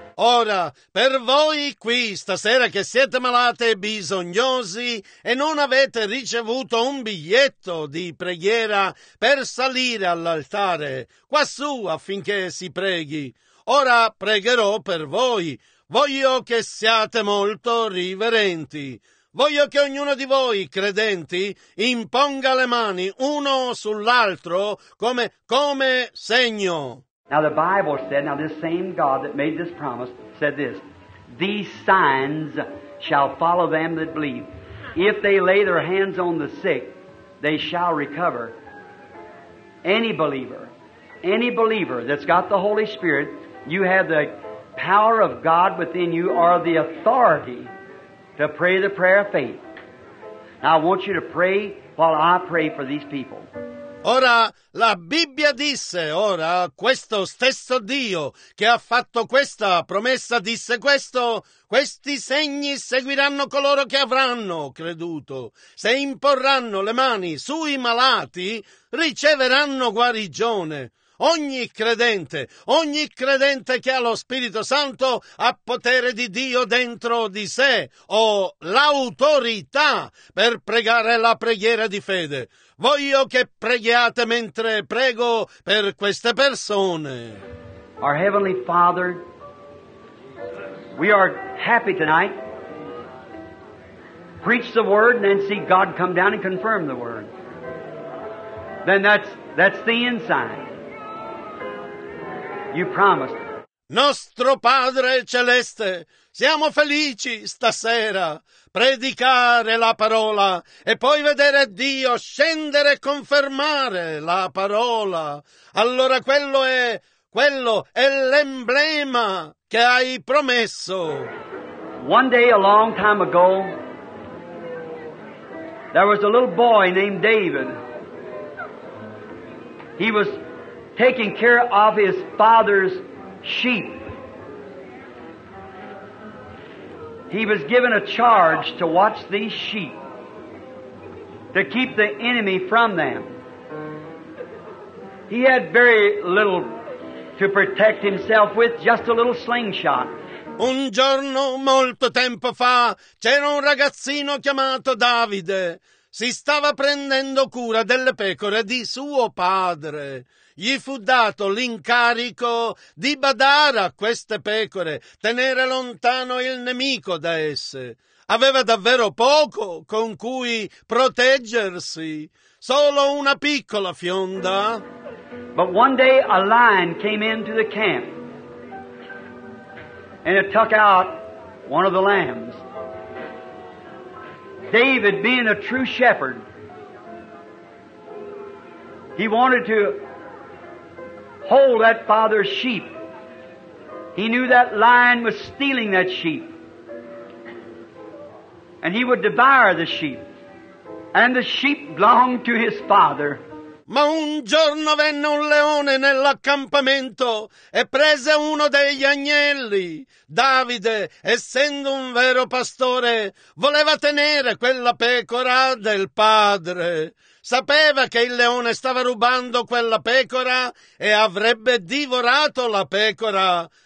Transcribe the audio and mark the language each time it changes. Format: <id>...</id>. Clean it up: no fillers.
<it>Ora, per voi qui stasera che siete malate e bisognosi e non avete ricevuto un biglietto di preghiera per salire all'altare quassù affinché si preghi, ora pregherò per voi. Voglio che siate molto riverenti. Voglio che ognuno di voi, credenti, imponga le mani uno sull'altro come segno.</it> <en>Now the Bible said, now this same God that made this promise said this, these signs shall follow them that believe. If they lay their hands on the sick, they shall recover. Any believer that's got the Holy Spirit, you have the power of God within you or the authority to pray the prayer of faith. Now I want you to pray while I pray for these people.</en> <it>Ora, la Bibbia disse, ora, questo stesso Dio che ha fatto questa promessa disse questo, questi segni seguiranno coloro che avranno creduto. Se imporranno le mani sui malati, riceveranno guarigione. Ogni credente che ha lo Spirito Santo ha potere di Dio dentro di sé o l'autorità per pregare la preghiera di fede. Voglio che preghiate mentre prego per queste persone.</it> <en>Our Heavenly Father, we are happy tonight. Preach the word and then see God come down and confirm the word. Then that's the inside. You promised.</en> <it>Nostro Padre Celeste, siamo felici stasera. Predicare la parola e poi vedere Dio scendere e confermare la parola. Allora quello è l'emblema che hai promesso.</it> <en>One day a long time ago, there was a little boy named David. He was taking care of his father's sheep. He was given a charge to watch these sheep, to keep the enemy from them. He had very little to protect himself with, just a little slingshot.</en> <it>Un giorno, molto tempo fa, c'era un ragazzino chiamato Davide. Si stava prendendo cura delle pecore di suo padre. Gli fu dato l'incarico di badare a queste pecore, tenere lontano il nemico da esse. Aveva davvero poco con cui proteggersi, solo una piccola fionda.</it> <en>But one day a lion came into the camp. and it took out one of the lambs. David, being a true shepherd, he wanted to hold that father's sheep. He knew that lion was stealing that sheep. And he would devour the sheep. And the sheep belonged to his father.</en> <it>Ma un giorno venne un leone nell'accampamento e prese uno degli agnelli. Davide, essendo un vero pastore, voleva tenere quella pecora del padre. Sapeva che il leone stava rubando quella pecora e avrebbe divorato la pecora.</it>